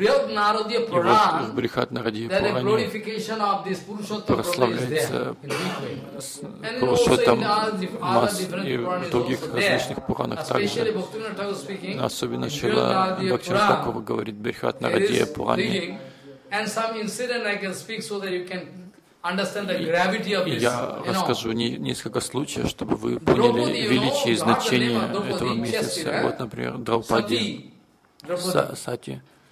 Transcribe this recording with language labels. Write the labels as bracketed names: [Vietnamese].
[Russian] И вот в Брихат Нарадия Пуране прославляется Пурушоттам Мас и в других различных Пуранах также. Особенно Шрила Бхактивинода Тхакур говорит Брихат Нарадия Пуране. [English] And some incident I can speak so that you can understand the gravity of this. [Russian] Я расскажу несколько случаев, чтобы вы поняли величие и значение этого месяца. Вот, например, Драупади, Сати.